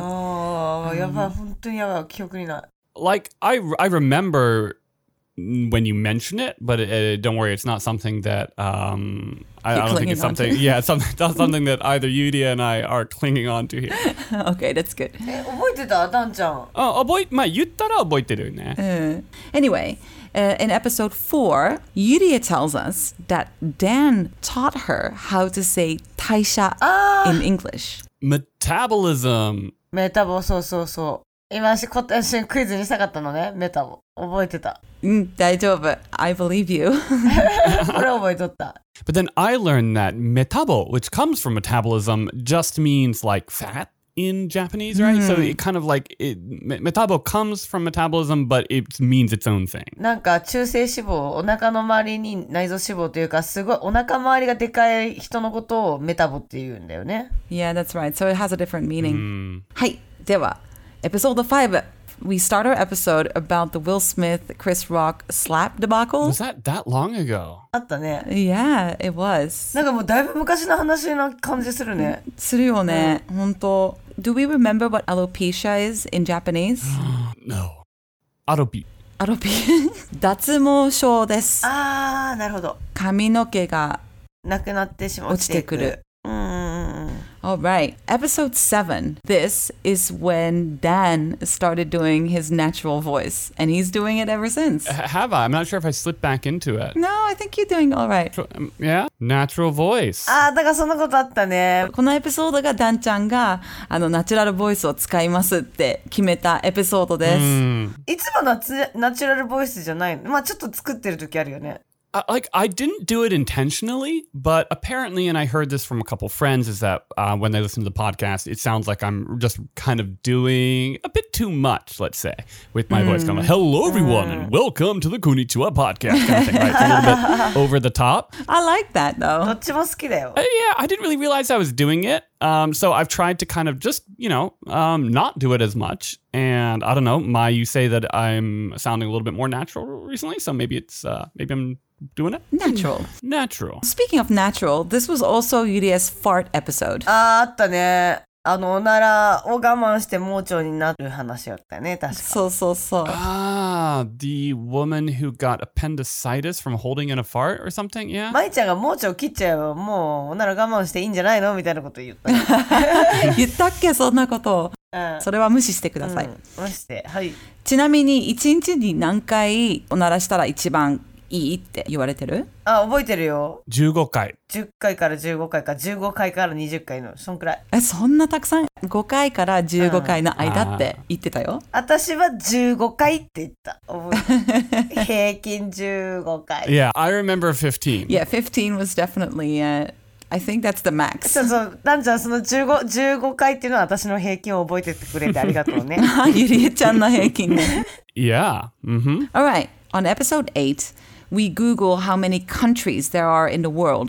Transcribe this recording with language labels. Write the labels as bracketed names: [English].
[Japanese] Oh, yaba, 本当にやばい、記憶にない。 [English] Like, I remember when you mention it, but don't worry, it's not something that... I don't think it's something... yeah, it's something that either Yuria and I are clinging on to here. Okay, that's good. [Japanese] 覚えてた、ダンちゃん。まあ、言ったら覚えてるね。 [English] Anyway... in episode 4, Yuria tells us that Dan taught her how to say taisha in English. Metabolism. Metabo, so, so, so. [Japanese] 今私、今年クイズにしたかったのね。メタボ。覚えてた。うん、大丈夫。 [English] I believe you. [Japanese] これ覚えとった。 [English] But then I learned that metabo, which comes from metabolism, just means like fat. In Japanese, right? Mm. So it kind of like it, metabo comes from metabolism, but it means its own thing. [Japanese] なんか中性脂肪、お腹の周りに内臓脂肪というか、すごいお腹周りがでかい人のことをメタボって言うんだよね。 [English] Yeah, that's right. So it has a different meaning. Mm. [Japanese] はい、では、 [English] episode 5. We start our episode about the Will Smith, Chris Rock slap debacle. Was that that long ago? [Japanese] あったね。 [English] Yeah, it was. [Japanese] なんかもうだいぶ昔の話な感じするね。するよね。本当。 [English] Do we remember what alopecia is in Japanese? No. Alopi. [Japanese] Alopi. 脱毛症です。あー、なるほど。髪の毛がなくなってしまう。落ちてくる。 [English] All right, episode 7. This is when Dan started doing his natural voice, and he's doing it ever since. Have I? I'm not sure if I slipped back into it. No, I think you're doing all right. Yeah? Natural voice. [Japanese] Ah, だからそんなことあったね。このエピソードがダンちゃんがあのナチュラルボイスを使いますって決めたエピソードです。いつもナチュラルボイスじゃない。まあちょっと作ってる時あるよね。 [English] Like, I didn't do it intentionally, but apparently, and I heard this from a couple friends, is that when they listen to the podcast, it sounds like I'm just kind of doing a bit too much, let's say, with my voice going, hello, everyone, and welcome to the Konnichiwa podcast kind of thing, right? It's a little bit over the top. I like that, though. [Japanese] どっちも好きだよ。 [English] Yeah, I didn't really realize I was doing it. So I've tried to kind of just, you know, not do it as much. And I don't know, Mai, you say that I'm sounding a little bit more natural recently. So maybe it's, maybe I'm doing it. Natural. Natural. Speaking of natural, this was also Yuria's fart episode. [Japanese] Ah, あったね。あの、おならを我慢して盲腸になる話だったね、確か。そうそうそう。 [English] Ah, the woman who got appendicitis from holding in a fart or something, yeah? [Japanese] マイちゃんが盲腸切っちゃえば、もうおなら我慢していいんじゃないのみたいなこと言った。言ったっけ、そんなこと。それは無視してください。無視して、はい。ちなみに、一日に何回おならしたら一番いいって言われてる？あ、覚えてるよ。 15回。 10回から15回か、15回から20回の、そんくらい。え、そんなたくさん？ 5回から15回の間って言ってたよ。うん、私は15回って言った。覚えてる。平均15回。 [English] Yeah, I remember 15. Yeah, 15 was definitely, I think that's the max. [Japanese] そうそう、ダンちゃん、その15回っていうのは私の平均を覚えててくれてありがとうね。ゆりえちゃんの平均ね。 [English] Yeah, mm-hmm. All right. On episode 8, we Google how many countries there are in the world.